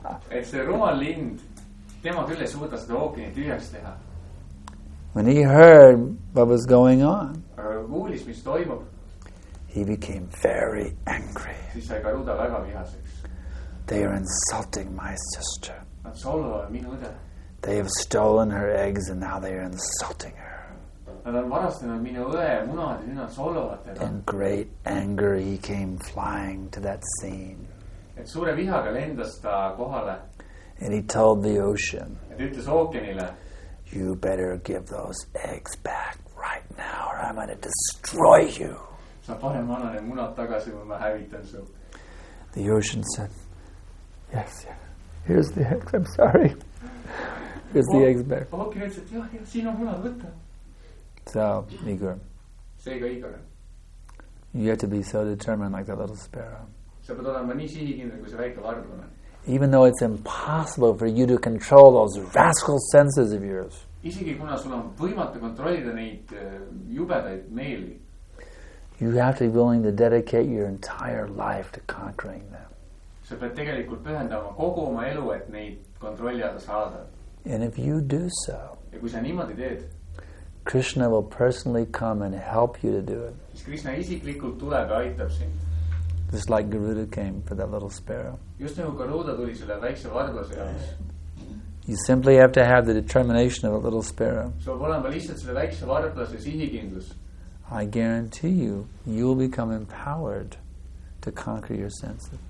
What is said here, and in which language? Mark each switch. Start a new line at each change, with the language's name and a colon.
Estonian: Et see rumal lind, tema küll ei suuda seda ookeani tühjaks teha.
English: When he heard what was going on,
Estonian: kuulis, mis toimub,
English: he became very angry.
Estonian: Siis sai Garuda väga vihaseks.
English: They are insulting my sister.
Estonian: Nad solvavad minu õde.
English: They have stolen her eggs and now they are insulting her.
Estonian: Nad on varastanud minu õe munad ja nüüd solvavad teda.
English: In great anger he came flying to that scene.
Estonian: Et suure vihaga lendas ta kohale.
English: And he told the ocean,
Estonian: ütles ookeanile,
English: you better give those eggs back right now or I'm going to destroy you.
Estonian: Sa parem anna need munad tagasi või ma hävitan su.
English: The ocean said, yes, yes, here's the eggs, I'm sorry. Here's the eggs back.
Estonian: Ookean ütles, et jah, siin on munad, võtta.
English: So, Igor.
Estonian: Seega Igor.
English: You have to be so determined like that little sparrow.
Estonian: Sa pead olema nii sihikindel kui see väike varblane.
English: Even though it's impossible for you to control those rascal senses of yours.
Estonian: Isegi kuna sul on võimatu kontrollida neid jubedaid meeli.
English: You have to be willing to dedicate your entire life to conquering them.
Estonian: Sa pead tegelikult pühendama kogu oma elu, et neid kontrollida saada.
English: And if you do so,
Estonian: ja kui sa niimoodi teed,
English: Krishna will personally come and help you to do it.
Estonian: Siis Krishna isiklikult tuleb ja aitab sind.
English: Just like Garuda came for that little sparrow.
Estonian: Just nagu Garuda tuli selle väikse varblase jaoks.
English: You simply have to have the determination of a little sparrow.
Estonian: So olema lihtsalt selle väikse varblase sihikindlus.
English: I guarantee you, you will become empowered to conquer your senses.